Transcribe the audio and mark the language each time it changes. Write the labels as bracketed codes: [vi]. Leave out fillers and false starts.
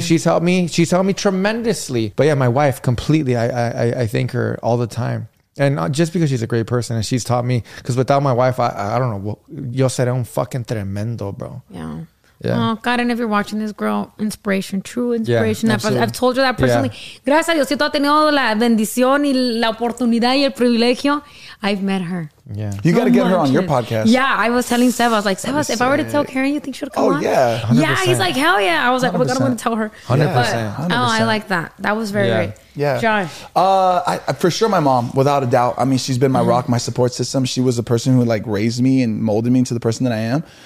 [en] She's helped me tremendously. But yeah, my wife completely. I thank her all the time. And not just because she's a great person and she's taught me, because without my wife, I don't know. [es] Yo seré un fucking tremendo, bro. [en] Yeah. Yeah. Oh, God, and if you're watching this, girl, inspiration, true inspiration. Yeah, I've told you that personally. Yeah. [es] Gracias a Dios, siento ha tenido la bendición y la oportunidad y el privilegio. [en] I've met her. Yeah. You so got to get her on your podcast. Yeah, I was telling Sebas, like, Sebas, if I were to tell Karen, you think she'll come on? Oh, yeah. 100%. Yeah, he's like, hell yeah. I was like, oh, God, I'm going to tell her. 100%. But, 100%. Oh, I like that. That was very great. Yeah. Josh. For sure, my mom, without a doubt. I mean, she's been my rock, my support system. She was the person who, like, raised me and molded me into the person that I am.